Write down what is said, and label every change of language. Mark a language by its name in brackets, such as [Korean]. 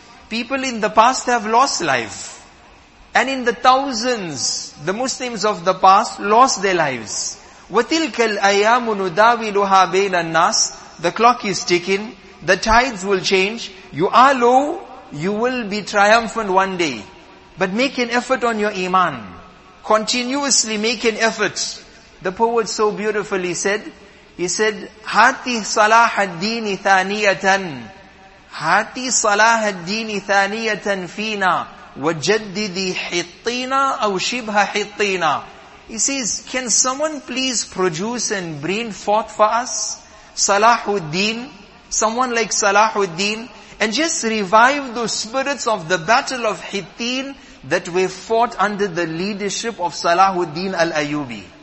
[English] People in the past have lost life. And in the thousands, the Muslims of the past lost their lives. [Arabic] وَتِلْكَ الْأَيَّامُ نُدَاوِلُهَا بَيْنَ النَّاسِ. [English] The clock is ticking, the tides will change. You are low, you will be triumphant one day. But make an effort on your iman. Continuously make an effort. The poet so beautifully said, he said, [Arabic] هَاتِي صَلَاحَ الدِّينِ ثَانِيَةً هَاتِي صَلَاحَ الدِّينِ ثَانِيَةً فِينَا وَجَدِّدِ حِطِّينَا أَوْ شِبْهَ حِطِّينَا. [English] He says, can someone please produce and bring forth for us Salahuddin, someone like Salahuddin, and just revive those spirits of the battle of Hittin that were fought under the leadership of Salahuddin al-Ayubi.